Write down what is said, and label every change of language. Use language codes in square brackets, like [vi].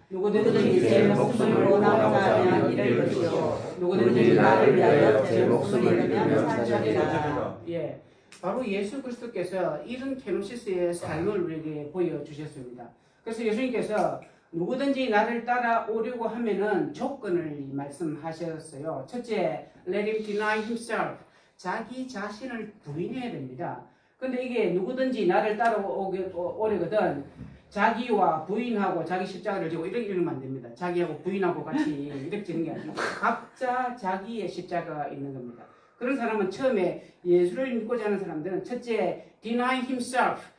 [ko] 누구든지 제 목숨을 원하오면 잃을 것이요 누구든지 나를 위하여 제 목숨을 잃으면 찾으리라. 예, 바로 예수 그리스도께서 이런 케노시스의 삶을 우리에게 보여주셨습니다. 그래서 예수님께서 누구든지 나를 따라오려고 하면은 조건을 말씀하셨어요. [en] 첫째, let him deny himself. [ko] 자기 자신을 부인해야 됩니다. 근데 이게 누구든지 나를 따라오려거든 자기와 부인하고 자기 십자가를 지고 이렇게 이러면 안 됩니다. 자기하고 부인하고 같이 이렇게 지는 게 아니고 각자 자기의 십자가가 있는 겁니다. 그런 사람은 처음에 예수를 믿고자 하는 사람들은 첫째, [en] deny himself.